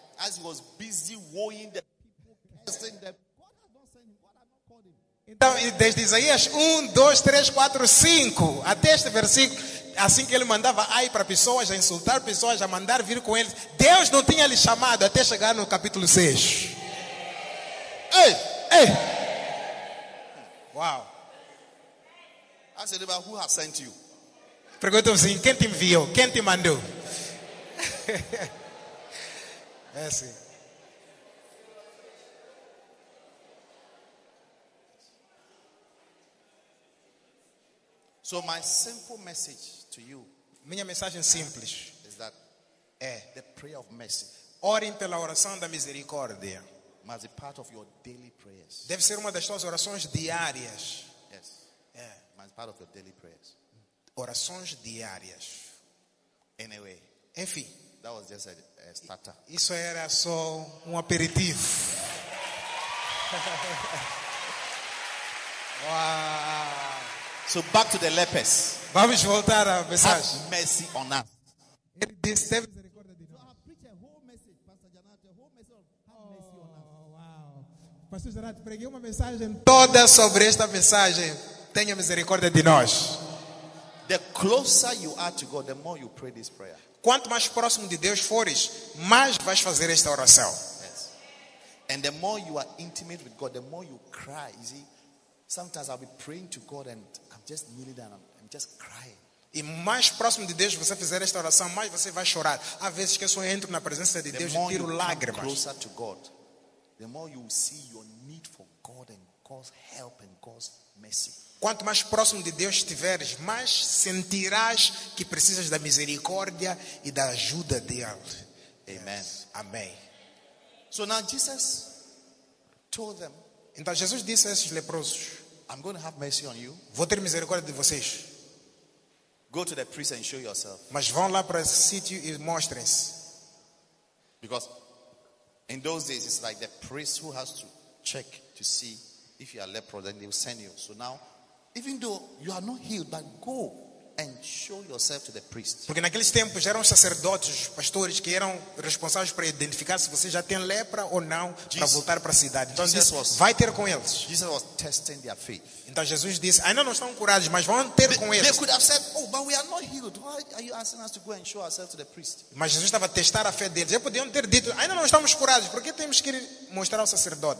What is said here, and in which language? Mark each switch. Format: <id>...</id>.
<en>As he was busy warning the people, casting them. God has not sent him, God has not called him.</en> <pt>Então, desde Isaías 1, 2, 3, 4, 5, até este versículo, assim que ele mandava ai para pessoas, a insultar pessoas, a mandar vir com eles, Deus não tinha lhe chamado até chegar no capítulo 6. Ei! Ei! Uau!</pt> <en>Ask your neighbor, who has sent you?</en> <pt>Pergunta assim, quem te enviou? Quem te mandou? É assim.</pt> <en>So my simple message to you,</en> <pt>minha mensagem simples,</pt> <en>is that the prayer of mercy.</en> <pt>Orem pela oração da misericórdia.</pt> <en>Must be part of your daily prayers.</en> <pt>Deve ser uma das suas orações diárias.</pt> <en>As part of your daily prayers.</en> <pt>Orações diárias.</pt> <en>Anyway,</en> <pt>enfim,</pt> <en>that was just a starter.</en> <pt>Isso era só aperitivo. Wow.</pt> <en>So back to the lepers.</en> <pt>Vamos voltar à mensagem.</pt> <en>Have mercy on us.</en> <pt>Ele disse, teve misericórdia de nós.</pt> <en>So I preach a whole message, Pastor Janato, a whole message of have mercy on us. Wow.</en> <pt>Pastor Janato, preguei uma mensagem toda sobre esta mensagem. Tenha misericórdia de nós.</pt> <en>The closer you are to God, the more you pray this prayer.</en> <pt>Quanto mais próximo de Deus fores, mais vais fazer esta oração.</pt> <en>Yes. And the more you are intimate with God, the more you cry. You see, sometimes I'll be praying to God and I'm just kneeling down, I'm just crying.</en> <pt>E mais próximo de Deus você fizer esta oração, mais você vai chorar. Há vezes que eu só entro na presença de Deus e tiro lágrimas.</pt> <en>The closer to God, the more you see your need for God and God's help and God's mercy.</en> <pt>Quanto mais próximo de Deus estiveres, mais sentirás que precisas da misericórdia e da ajuda dele.</pt> <en>Amen. Yes.</en> <pt>Amém.</pt> <en>So now Jesus told them,</en> <pt>então Jesus disse a esses leprosos,</pt> <en>I'm going to have mercy on you.</en> <pt>Vou ter misericórdia de vocês.</pt> <en>Go to the priest and show yourself.</en> <pt>Mas vão lá para o sítio e mostrem-se.</pt> <en>Because in those days it's like the priest who has to check to see if you are leprous, then they will send you. So now, even though you are not healed, but go and show yourself to the priest.</en> <pt>Porque naqueles tempos eram sacerdotes, pastores que eram responsáveis para identificar se você já tem lepra ou não para voltar para a cidade. Então Jesus disse, vai ter com eles.</pt> <en>Jesus was testing their faith.</en> <pt>Então Jesus disse, ainda não estão curados, mas vão ter com eles.</pt> <en>They could have said, oh, but we are not healed. Why are you asking us to go and show ourselves to the priest?</en> <pt>Mas Jesus estava a testar a fé deles. Eles podiam ter dito, ainda não estamos curados, por que temos que ir mostrar ao sacerdote?</pt>